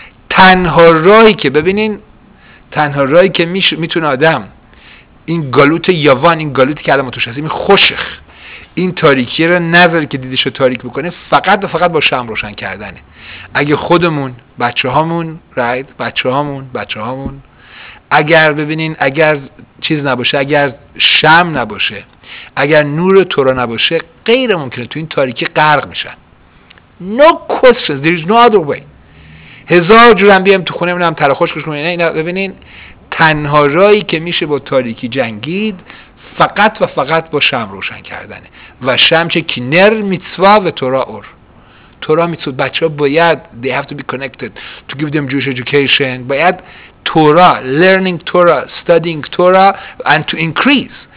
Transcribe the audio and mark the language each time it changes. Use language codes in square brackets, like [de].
[fa] تنها راهی که ببینین، تنها راهی که میتونه آدم این گالوت یوان، این گالوتی که آدم توش هست، این خوشخ، این تاریکی رو نذاره که دیدشو تاریک بکنه، فقط و فقط با شمع روشن کردنه. اگه خودمون، بچه‌هامون، رایت، بچه‌هامون، اگر ببینین، اگر چیز نباشه، اگر شمع نباشه، اگر نور تو رو نباشه، غیر ممکنه تو این تاریکی غرق میشن. [en] No questions, there is no other way. [fa] هزار جورم بیام تو خونه منم تراخوش کشم، نه ببینین، تنها رایی که میشه با تاریکی جنگید فقط و فقط با شمع روشن کردنه. و شمع چه کینر میتسوا و تورا اور، تورا میتسوا. بچه ها باید [en] they have to be connected to give them Jewish education. [fa] باید تورا، learning تورا، studying تورا [en] and to increase.